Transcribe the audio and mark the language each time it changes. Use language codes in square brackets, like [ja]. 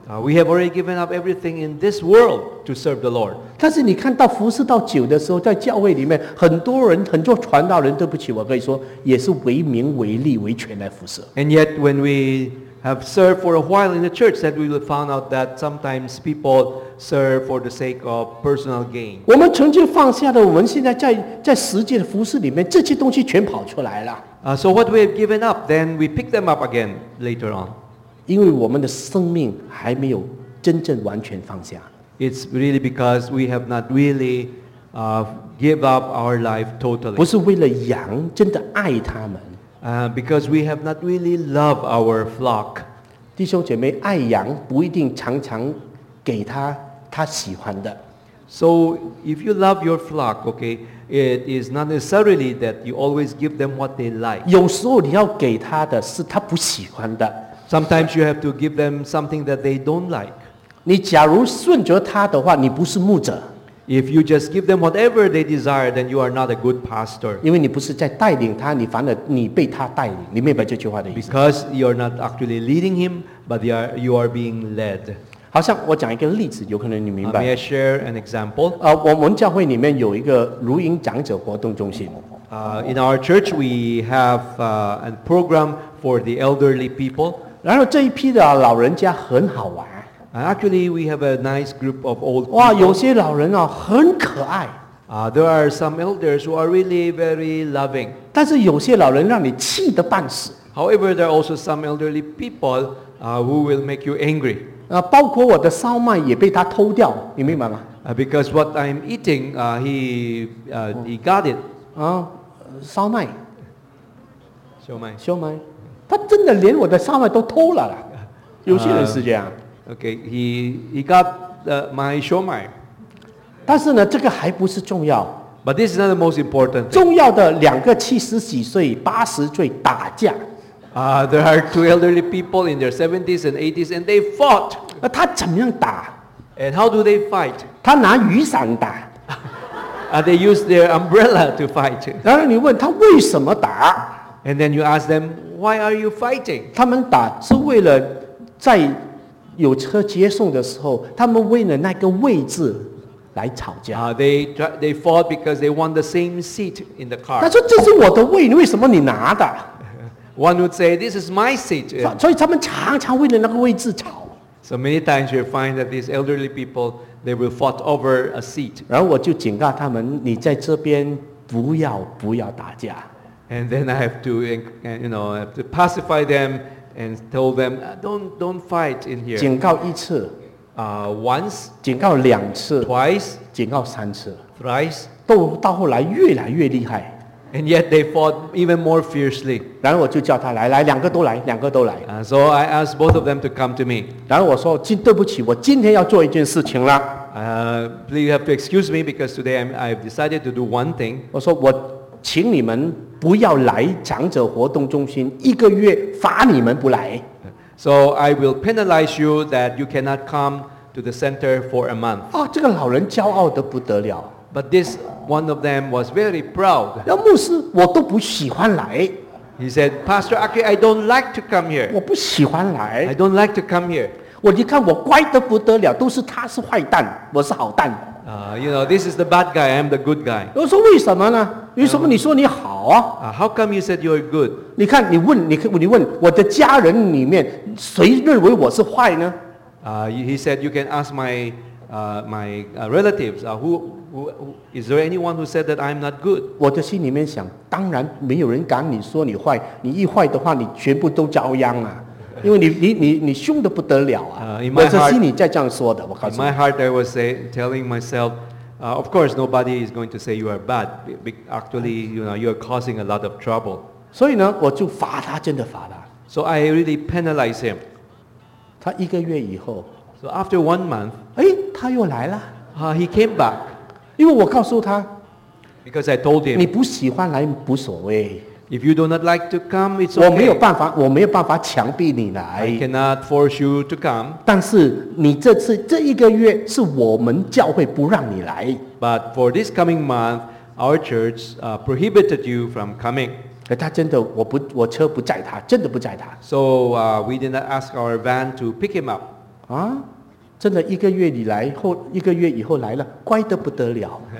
[en] We have already given up everything in this world to serve the Lord. [zh] 但是你看到服事到久的时候，在教会里面，很多人，很多传道人，对不起，我可以说，也是为名、为利、为权来服事。 [en] And yet, when we have served for a while in the church, that we will find out that sometimes people serve for the sake of personal gain. [zh] 我们曾经放下的，我们现在在实际的服事里面，这些东西全跑出来了。 [en] So what we have given up, then we pick them up again later on. [zh] 因为我们的生命还没有真正完全放下。 [en] It's really because we have not really give up our life totally. [zh] 不是为了羊真的爱他们。 [en] Because we have not really loved our flock. [zh] 弟兄姐妹，爱羊不一定常常给他喜欢的。 [en] So if you love your flock, okay, it is not necessarily that you always give them what they like. [zh] 有时候你要给他的是他不喜欢的。 [en] Sometimes you have to give them something that they don't like. [zh] 你假如顺着他的话，你不是牧者。 [en] If you just give them whatever they desire, then you are not a good pastor. [zh] 因为你不是在带领他，你反而你被他带领。你明白这句话的意思？ [en] Because you are not actually leading him, but you are being led. [zh] 好像我讲一个例子，有可能你明白。 [en] May I share an example? [zh] 我们教会里面有一个如鹰长者活动中心。 [en] In our church, we have a program for the elderly people. [zh] 然后这一批的老人家很好玩。 [en] Actually, we have a nice group of old people. [zh] 哇，有些老人很可爱。 [en] There are some elders who are really very loving. [zh] 但是有些老人让你气得半死。 [en] However, there are also some elderly people who will make you angry. [zh] 包括我的烧麦也被他偷掉，你明白吗？ [en] Because what I'm eating, he got it. [zh] 烧麦。烧麦。烧麦。他真的连我的烧麦都偷了啦。有些人是这样。 [en] Okay, he got my shomai. [zh] 但是呢，这个还不是重要。 [en] But this is not the most important thing. [zh] 重要的两个七十几岁、八十岁打架。 [en] There are two elderly people in their 70s and 80s, and they fought. [zh] 那他怎么样打？ [en] And how do they fight? [zh] 他拿雨伞打。 [en] They use their umbrella to fight. [zh] 然后你问他为什么打？ [en] And then you ask them, why are you fighting? [zh] 他们打是为了在有车接送的时候，他们为了那个位置来吵架。 [en] They fought because they want the same seat in the car. [zh] 他说这是我的位，为什么你拿的？ [en] One would say this is my seat. [zh] 所以他们常常为了那个位置吵。 [en] So many times you find that these elderly people they will fought over a seat. [zh] 然后我就警告他们，你在这边不要打架。 [en] And then I have to, you know, I have to pacify them. And told them, don't fight in here. [zh] 警告一次 [en] once. [zh] 警告两次 [en] twice. [zh] 警告三次 [en] thrice. [zh] 都到后来越来越厉害 [en] And yet they fought even more fiercely. [zh] 然后我就叫他来，来两个都来，两个都来。 [en] So I asked both of them to come to me. [zh] 然后我说，对不起，我今天要做一件事情了。 [en] Please have to excuse me because today I've decided to do one thing. [zh] 我说我请你们不要来长者活动中心一个月，罚你们不来。 [en] So I will penalize you that you cannot come to the center for a month. [zh] 啊，这个老人骄傲得不得了。 [en] But this one of them was very proud. [zh] 要牧师我都不喜欢来。 [en] He said, Pastor Aki, I don't like to come here. [zh] 我不喜欢来。 [en] I don't like to come here. [zh] 我你看我乖得不得了，都是他是坏蛋，我是好蛋。 [en] You know, this is the bad guy, I'm the good guy. [zh] 我说为什么呢？为什么你说你好啊？ [en] How come you said you're good? [zh] 你看你问，你问我的家人里面，谁认为我是坏呢？ [en] He said you can ask my relatives, is there anyone who said that I'm not good? [zh] 我的心里面想，当然没有人敢你说你坏，你一坏的话，你全部都遭殃啊。因为你凶得不得了啊！我是心里在这样说的，我告诉你。 [en] In my heart, I was telling myself, of course, nobody is going to say you are bad. Actually, you know, you are causing a lot of trouble. [zh] 所以呢，我就罚他，真的罚他。 [en] So I really penalize him. [zh] 他一个月以后 [en] ，So after one month, [zh] 哎，他又来了。 [en] He came back. [zh] 因为我告诉他 [en] ，Because I told him, [zh] 你不喜欢来无所谓。 [en] If you do not like to come, it's okay. [zh] 我没有办法强逼你来。 [en] I cannot force you to come. [zh] 但是你这次这一个月是我们教会不让你来。 [en] But for this coming month, our church prohibited you from coming. [zh] 他真的我车不载他，真的不载他。 [en] So we did not ask our van to pick him up. [zh] 啊，真的一个月以来后一个月以后来了，乖得不得了。